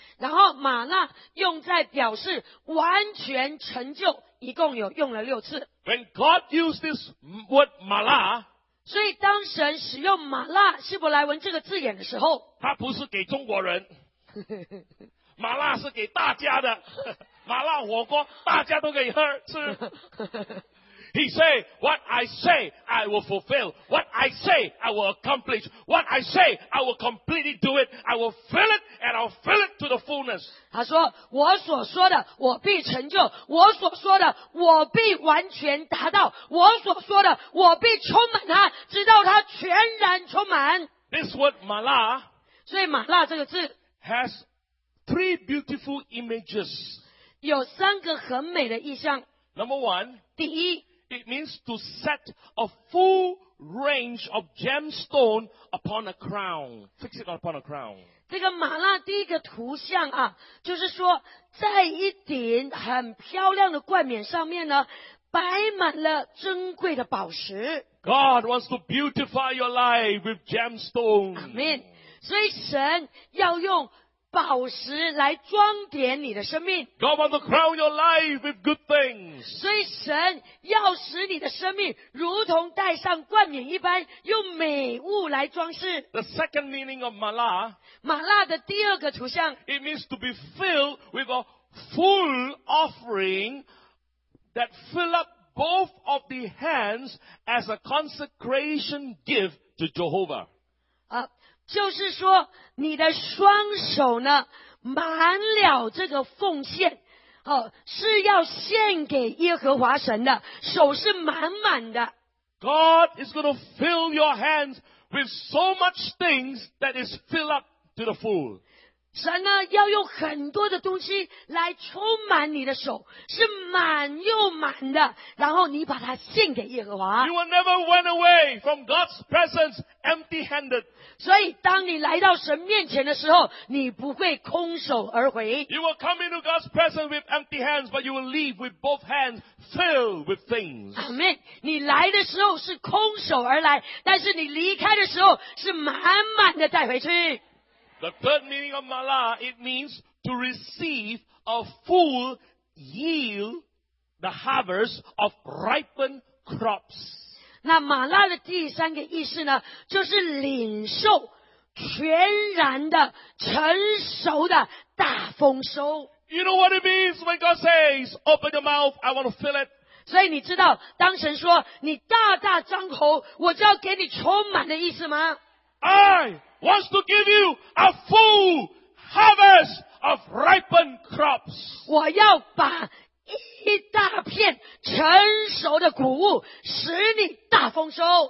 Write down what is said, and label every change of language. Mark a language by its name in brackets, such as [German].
[Chinese] 然后马拉用在表示完全成就，一共有用了6次。 [English] When God used this word mala, [Chinese] 所以当神使用马拉希伯来文这个字眼的时候，他不是给中国人。麻辣是给大家的，麻辣火锅大家都可以喝吃。 [English] He say, what I say, I will fulfill. What I say, I will accomplish. What I say, I will completely do it. I will fill it, and I'll fill it to the fullness. [Chinese] 他说，我所说的，我必成就；我所说的，我必完全达到；我所说的，我必充满它，直到它全然充满。 [English] This word, 麻辣。 [Chinese] 所以麻辣这个字 [English] has. Three beautiful images. [Chinese] 有三个很美的意象。 [English] Number one. [Chinese] 第一。 [English] It means to set a full range of gemstone upon a crown. Fix it upon a crown. [Chinese] 这个马拉第一个图像啊，就是说，在一顶很漂亮的冠冕上面呢，摆满了珍贵的宝石。 [English] God wants to beautify your life with gemstones. Amen. [Chinese] 所以神要用宝石来装点你的生命。 [English] God wants to crown your life with good things. [Chinese] 所以神要使你的生命如同戴上冠冕一般，用美物来装饰。 [English] The second meaning of mala. [Chinese] 马拉的第二个图像。 [English] It means to be filled with a full offering that fill up both of the hands as a consecration gift to Jehovah. [Chinese] 就是说你的双手呢满了这个奉献、哦、是要献给耶和华神的，手是满满的。 [English] God is going to fill your hands with so much things that is filled up to the full. [Chinese] 神呢要用很多的东西来充满你的手，是满又满的，然后你把它献给耶和华。 [English] You will never run away from God's presence empty handed. [Chinese] 所以当你来到神面前的时候，你不会空手而回。 [English] You will come into God's presence with empty hands, but you will leave with both hands filled with things. Amen. [Chinese] 你来的时候是空手而来，但是你离开的时候是满满的带回去。 [English] The third meaning of mala, it means to receive a full yield, the harvest of ripened crops. [Chinese] 那马拉的第三个意思呢，就是领受全然的成熟的大丰收。 [English] You know what it means when God says, open your mouth, I want to fill it. [Chinese] 所以你知道当神说你大大张口我就要给你充满的意思吗？ [English] I wants to give you a full harvest of ripened crops. [Chinese] 我要把一大片成熟的谷物使你大丰收。